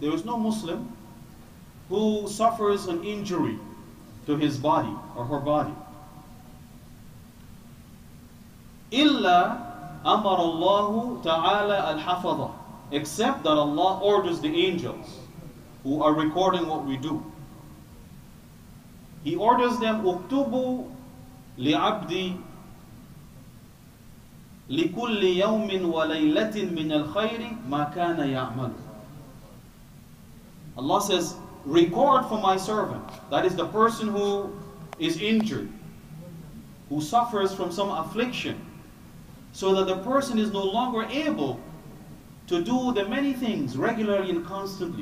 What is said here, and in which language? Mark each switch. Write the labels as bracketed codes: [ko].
[en] There is no Muslim who suffers an injury to his body or her body. [ar] إِلَّا أَمَرَ اللَّهُ تَعَالَى الْحَفَظَ. [en] Except that Allah orders the angels who are recording what we do. He orders them, [ar] اُكْتُبُوا لِعَبْدِي لِكُلِّ يَوْمٍ وَلَيْلَةٍ مِنَ الْخَيْرِ مَا كَانَ يَعْمَلُ. [en] Allah says, record for my servant, that is the person who is injured, who suffers from some affliction, so that the person is no longer able to do the many things regularly and constantly.